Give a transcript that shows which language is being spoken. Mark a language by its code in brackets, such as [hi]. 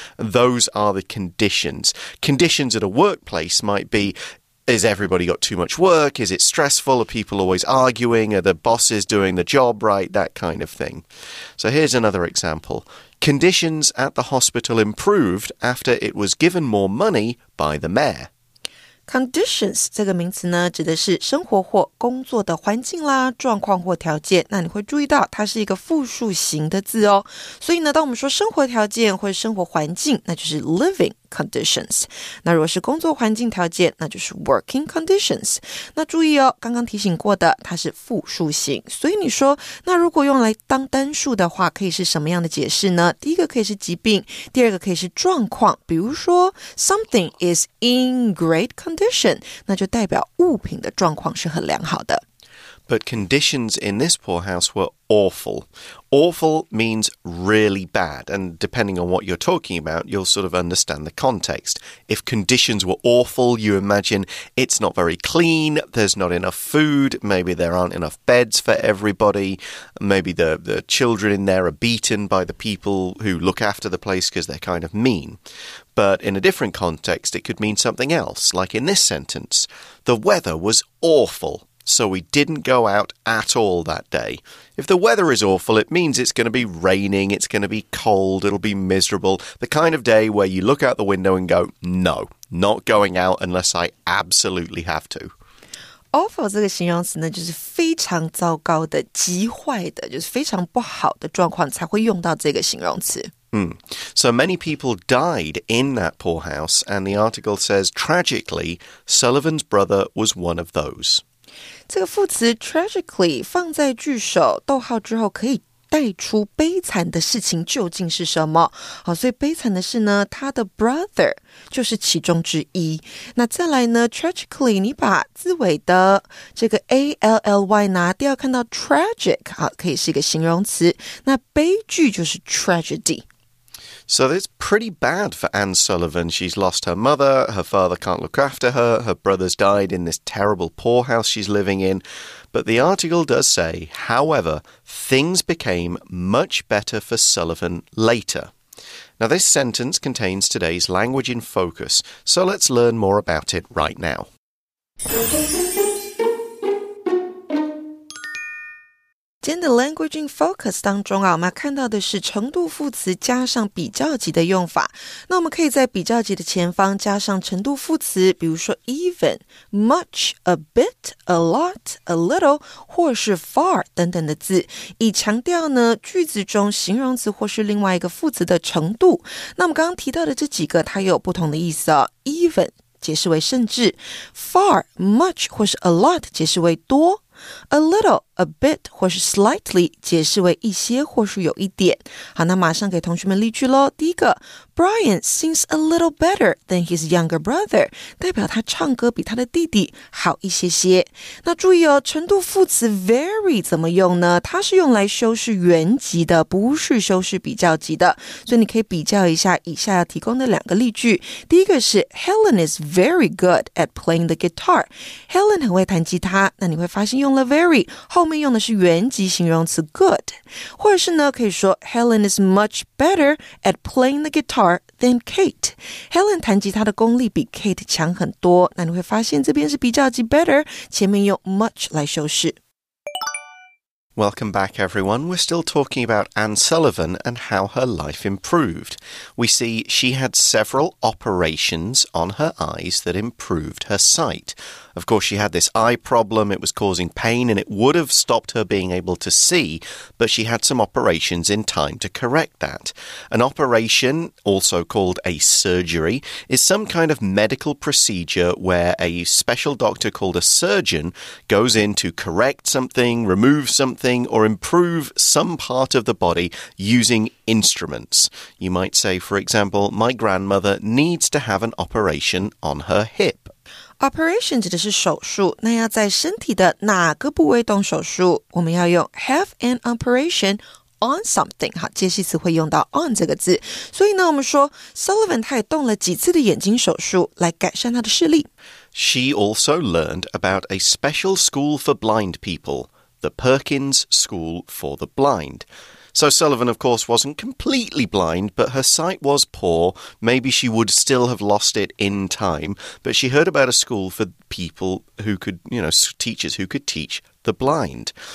[en] Those are the conditions. Conditions at a workplace might be, is everybody got too much work? Is it stressful? Are people always arguing? Are the bosses doing the job right? That kind of thing. So here's another example. Conditions at the hospital improved after it was given more money by the mayor. [zh] Conditions 这个名词呢，指的是生活或工作的环境啦、状况或条件。那你会注意到，它是一个复数型的字哦。所以呢，当我们说生活条件或生活环境，那就是 [en] living conditions。 [zh] 那如果是工作环境条件，那就是 [en] working conditions。 [zh] 那注意哦，刚刚提醒过的，它是复数型。所以你说，那如果用来当单数的话，可以是什么样的解释呢？第一个可以是疾病，第二个可以是状况。比如说 ， [en] something is in great condition, [zh] 那就代表物品的状况是很良好的。 [en] But conditions in this poorhouse were awful. Awful means really bad, and depending on what you're talking about, you'll sort of understand the context. If conditions were awful, you imagine it's not very clean, there's not enough food, maybe there aren't enough beds for everybody, maybe the children in there are beaten by the people who look after the place because they're kind of mean. But in a different context, it could mean something else, like in this sentence, the weather was awful. So we didn't go out at all that day. If the weather is awful, it means it's going to be raining, it's going to be cold, it'll be miserable. The kind of day where you look out the window and go, no, not going out unless I absolutely have to. [zh] Awful 这个形容词呢，就是非常糟糕的、极坏的，就是非常不好的状况才会用到这个形容词。 [en] So many people died in that poorhouse, and the article says, tragically, Sullivan's brother was one of those. [zh] 这个副词 tragically 放在句首逗号之后，可以带出悲惨的事情究竟是什么。好，所以悲惨的是呢，他的 brother 就是其中之一。那再来呢， tragically 你把字尾的这个 ally 拿掉，看到 tragic 好，可以是一个形容词，那悲剧就是 tragedy。 [en] So it's pretty bad for Anne Sullivan. She's lost her mother, her father can't look after her, her brother's died in this terrible poorhouse she's living in. But the article does say, however, things became much better for Sullivan later. Now this sentence contains today's language in focus, so let's learn more about it right now. [zh] 今天的 [en] language in focus [zh] 当中啊，我们看到的是程度副词加上比较级的用法。那我们可以在比较级的前方加上程度副词，比如说 even, much, a bit, a lot, a little, 或是 far 等等的字，以强调呢句子中形容词或是另外一个副词的程度。那我们刚刚提到的这几个，它有不同的意思啊。even 解释为甚至 ，far, much 或是 a lot 解释为多。 A little, a bit, 或是 slightly 解释为一些或是有一点。好，那马上给同学们例句咯。第一个 , [en] Brian sings a little better than his younger brother, [zh] 代表他唱歌比他的弟弟好一些些。那注意哦，程度副词 very 怎么用呢？它是用来修饰原级的，不是修饰比较级的。所以你可以比较一下以下要提供的两个例句。第一个是 [en] ,Helen is very good at playing the guitar. [zh] Helen 很会弹吉他，那你会发现用了 very, 后面用的是原级形容词 good, 或者是呢可以说 [en] Helen is much better at playing the guitar than Kate. [zh] Helen 弹吉他的功力比 Kate 强很多，那你会发现这边是比较级 better, 前面用 much 来修饰。 [en] Welcome back, everyone. We're still talking about Anne Sullivan and how her life improved. We see she had several operations on her eyes that improved her sight. Of course, she had this eye problem. It was causing pain and it would have stopped her being able to see. But she had some operations in time to correct that. An operation, also called a surgery, is some kind of medical procedure where a special doctor called a surgeon goes in to correct something, remove something, or improve some part of the body using instruments. You might say, for example, my grandmother needs to have an operation on her hip. [zh] Operation 指的是手术，那要在身体的哪个部位动手术？我们要用 [en] have an operation on something。 [zh] 好，介系词会用到 on 这个字。所以呢，我们说 Sullivan 他也动了几次的眼睛手术，来改善他的视力。 [en] She also learned about a special school for blind people, the Perkins School for the Blind. So Sullivan, of course, wasn't completely blind, but her sight was poor. Maybe she would still have lost it in time. But she heard about a school for people who could, you know, teachers who could teach the blind.